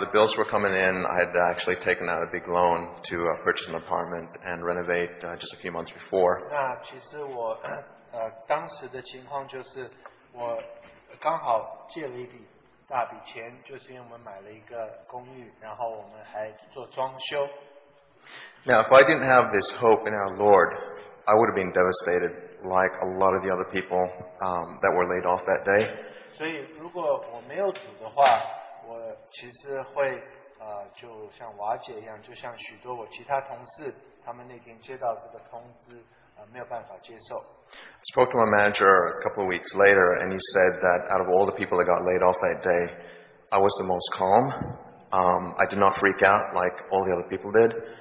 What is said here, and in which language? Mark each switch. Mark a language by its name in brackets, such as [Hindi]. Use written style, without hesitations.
[English] the bills were coming in. I had actually taken out a big loan to purchase an apartment and renovate just a few months before. [Chinese] 那其实我当时的情况就是我刚好借了一笔。大笔钱就是因为我们买了一个公寓，然后我们还做装修。 [English] Now, if I didn't have this hope in our Lord, I would have been devastated like a lot of the other people that were laid off that day. [Chinese] 所以如果我没有主的话，我其实会就像瓦解一样，就像许多我其他同事，他们那天接到这个通知，没有办法接受。 [English] I spoke to my manager a couple of weeks later, and he said that out of all the people that got laid off that day, I was the most calm. I did not freak out like all the other people did.